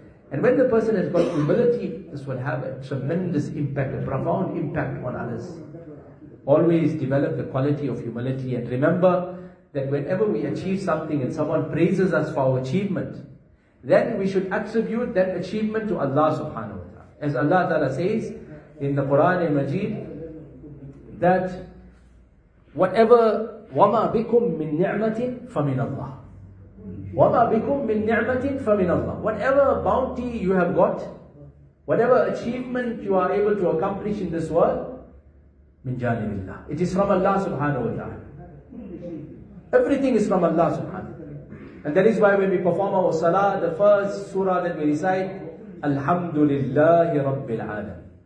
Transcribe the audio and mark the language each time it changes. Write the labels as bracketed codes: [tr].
[en] And when the person has got humility, this will have a tremendous impact, a profound impact on others. Always develop the quality of humility and remember that whenever we achieve something and someone praises us for our achievement, then we should attribute that achievement to Allah subhanahu wa ta'ala. As Allah ta'ala says in the Quran and Majeed, that whatever [ar] وَمَا بِكُم مِّن نِعْمَةٍ فَمِنَ اللَّهِ وَمَا بِكُم مِّن نِعْمَةٍ فَمِنَ اللَّهِ. [en] Whatever bounty you have got, whatever achievement you are able to accomplish in this world, [ar] مِن جَانِبِ اللَّهِ, [en] it is from Allah subhanahu wa ta'ala. Everything is from Allah subhanahu wa ta'ala. And that is why when we perform our salah, the first surah that we recite, Alhamdulillahi Rabbil Alam.